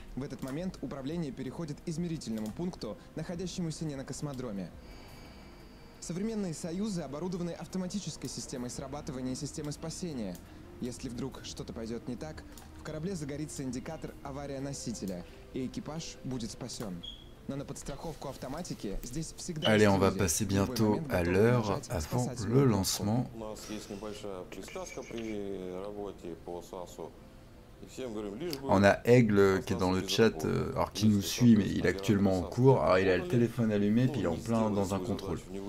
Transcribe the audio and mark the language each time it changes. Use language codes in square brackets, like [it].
[ru] В этот момент управление переходит измерительному пункту, находящемуся не на космодроме. Современные «Союзы» оборудованы автоматической системой срабатывания системы спасения. Если вдруг что-то пойдет не так, в корабле загорится индикатор «Авария носителя», и экипаж будет спасен. Но на подстраховку автоматики здесь всегда... [fr] Allez, on va passer bientôt à l'heure avant le lancement. [ru] У нас есть небольшая приставка при работе по САСу. [fr] On a Aigle qui est dans le chat, alors qui nous suit, mais il est actuellement en cours. Alors il a le téléphone allumé, puis il est en plein dans un contrôle.